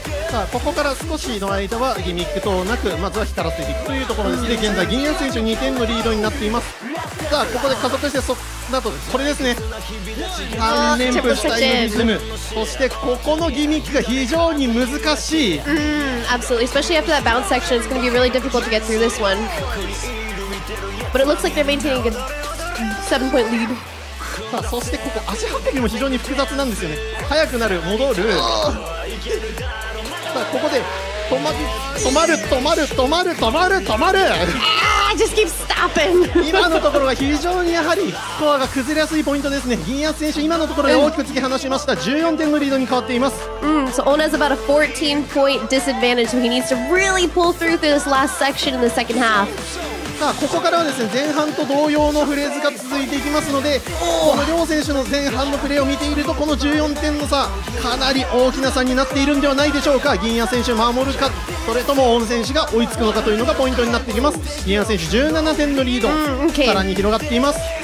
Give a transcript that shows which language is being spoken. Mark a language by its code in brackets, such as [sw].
[ja] さあここから少しの間はギミック等なく、まずは光らせていくというところです。で現在銀谷選手2点のリードになっています。さあここで加速して、そあとこれですね、3連符スタイルリズム、そしてここのギミックが非常に難しい。 [en] Absolutely, especially after that bounce section, it's going to be really difficult to get through this one, but it looks like they're maintaining a 7 point lead [ja] そしてここ足運びも非常に複雑なんですよね。速くなる、戻る、さあここで止まる止まる止まる止まる止まる止まる、 [en] Just keep stopping. [ja] 今のところは非常にやはりスコアが崩れやすいポイントですね。銀谷選手今のところで大きく突き放しました。14点のリードに変わっています。 [en] So Ona has about a 14 point disadvantage, so he needs to really pull through this last section in the second half. [ja] さあここからはですね、前半と同様のフレーズが続いていきますので、この両選手の前半のプレーを見ているとこの14点の差かなり大きな差になっているんではないでしょうか。銀谷選手守るか、それとも大野選手が追いつくのかというのがポイントになってきます。銀谷選手17点のリード、さらに広がっています。